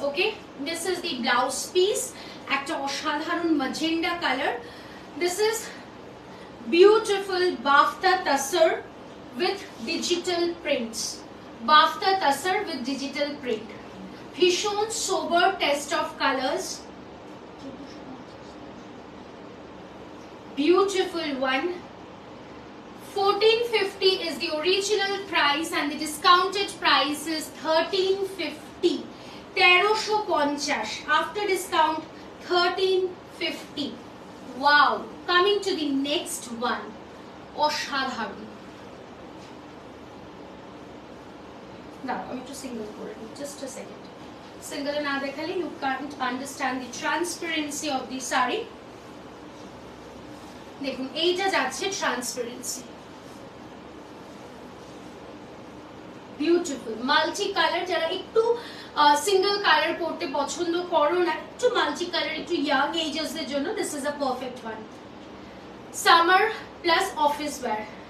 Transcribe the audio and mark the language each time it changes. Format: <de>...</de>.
<en>okay, this is the blouse piece,</en> <bn>একটা অসাধারণ magenta colour,</bn> <en>This is beautiful bafta tussar with digital prints, bafta tussar with digital print, ভীষণ sober taste of colours, beautiful one. 1450 is the original price and the discounted price is 1350, after discount 1350. Wow, coming to the next one, অসাধারণ। Now I'm just single for it, just a second, single</en> <bn>না দেখালে</bn> <en>you can't understand the transparency of the sari.</en> <bn>দেখুন এইটা যাচ্ছে</bn> <en>transparency, beautiful multi colour,</en> <bn>যারা একটু single colour পড়তে পছন্দ করো না,</bn> <en>একটু multi colour, একটু young ages এর জন্য this is a perfect one, summer plus office wear.</en>